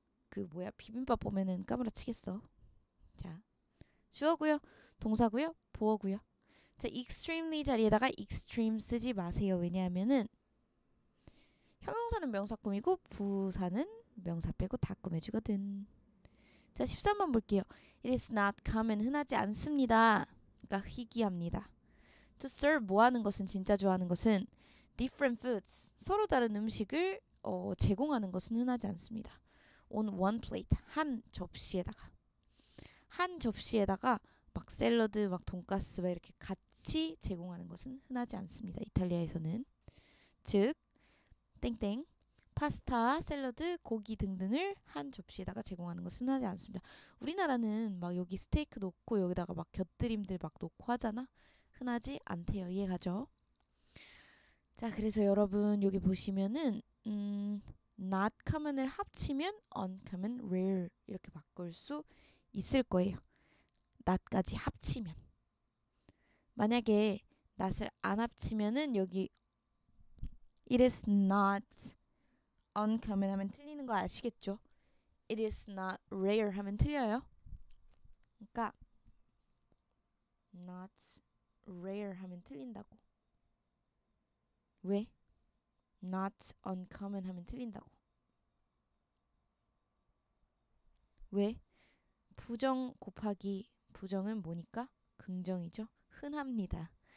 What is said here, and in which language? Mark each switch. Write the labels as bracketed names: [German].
[Korean] 그 뭐야 비빔밥 보면은 까무러치겠어. 자, 주어고요, 동사고요, 보어고요. 자, extremely 자리에다가 extreme 쓰지 마세요. 왜냐하면은 형용사는 명사 꾸미고 부사는 명사 빼고 다 꾸며주거든. 자, 13번 볼게요. [English] It is not common, [Korean] 흔하지 않습니다. 그러니까 희귀합니다. [English] To serve [Korean] 뭐 하는 것은 진짜 좋아하는 것은 [English] different foods, [Korean] 서로 다른 음식을 제공하는 것은 흔하지 않습니다. [English] On one plate, [Korean] 한 접시에다가. 한 접시에다가 막 샐러드, 막 돈가스, 막 이렇게 같이 제공하는 것은 흔하지 않습니다. 이탈리아에서는. 즉, 땡땡, 파스타, 샐러드, 고기 등등을 한 접시에다가 제공하는 것은 흔하지 않습니다. 우리나라는 막 여기 스테이크 놓고 여기다가 막 곁들임들 막 놓고 하잖아? 흔하지 않대요. 이해가죠? 자, 그래서 여러분, 여기 보시면은, [English] Not common [Korean] 을 합치면 [English] uncommon, rare [Korean] 이렇게 바꿀 수 있을 거예요. Not까지 합치면. 만약에 not을 안 합치면은 여기 [English] It is not uncommon [Korean] 하면 틀리는 거 아시겠죠? [English] It is not rare [Korean] 하면 틀려요. 그러니까 [English] not rare [Korean] 하면 틀린다고. 왜? [English] Not uncommon [Korean] 하면 틀린다고. 왜? 부정 곱하기 부정은 뭐니까? 긍정이죠. 흔합니다.